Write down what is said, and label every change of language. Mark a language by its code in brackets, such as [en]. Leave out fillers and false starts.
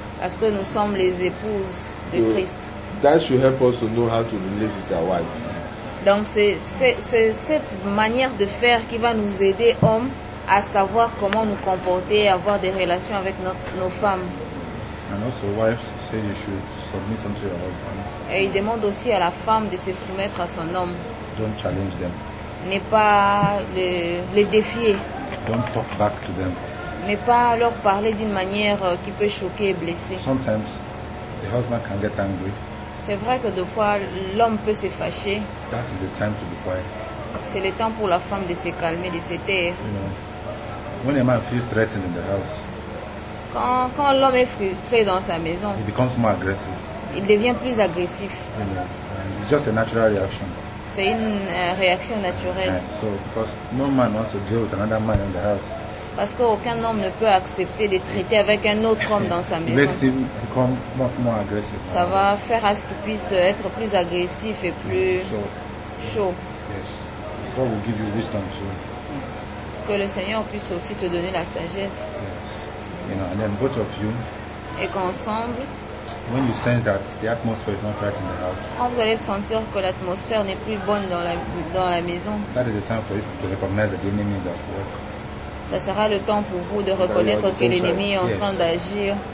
[fr] Parce que nous sommes les épouses de [en] so, [fr] Christ. [en] That should help us to know how to relate with our wives. [fr] Donc c'est cette manière de faire qui va nous aider, hommes, à savoir comment nous comporter et avoir des relations avec nos femmes. [en] And also wives say you should submit unto your husband. [fr] Et il demande aussi à la femme de se soumettre à son homme. [en] Don't challenge them. [fr] Ne pas les défier. [en] Don't talk back to them. [fr] Ne pas leur parler d'une manière qui peut choquer et blesser. [en] Sometimes the husband can get angry. [fr] C'est vrai que des fois l'homme peut se fâcher. [en] That is the time to be quiet. [fr] C'est le temps pour la femme de se calmer, de se taire. [en] You know, when a man feels threatened in the house, [fr] quand l'homme est frustré dans sa maison, [en] he becomes more aggressive. [fr] Il devient plus agressif. [en] You know, it's just a natural reaction. [fr] C'est une réaction naturelle. [en] So, because no man wants to deal with another man in the house. [fr] Parce qu'aucun homme ne peut accepter de traiter avec un autre homme dans sa maison. [en] It makes him become more aggressive. [fr] Ça va faire à ce qu'il puisse être plus agressif et plus chaud. [en] Yes. God will give you wisdom too. [fr] Que le Seigneur puisse aussi te donner la sagesse. [en] Yes. You know, and then both of you. [fr] Et qu'ensemble. [en] When you sense that the atmosphere is not right in the house, [fr] quand vous allez sentir que l'atmosphère n'est plus bonne dans la maison, [en] that is the time for you to recognize that the enemy is at work. [fr] Ça sera le temps pour vous de reconnaître que l'ennemi est en train d'agir.